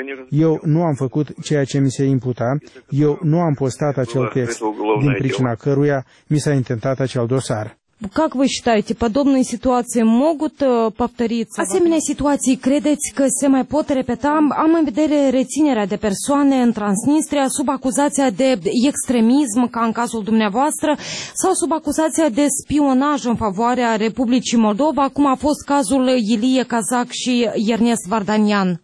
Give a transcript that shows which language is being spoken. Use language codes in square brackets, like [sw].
[ro] Eu nu am făcut ceea ce mi se imputa, eu nu am postat acel text, din pricina căruia mi s-a intentat acel dosar. [ru] Как вы считаете, подобные ситуации могут повториться? [ro] Asemenea situații credeți că se mai pot repeta? Am în vedere reținerea de persoane în Transnistria sub acuzația de extremism, ca în cazul dumneavoastră, sau sub acuzația de spionaj în favoarea Republicii Moldova, cum a fost cazul Ilie Kazak și Ernest Vardanian.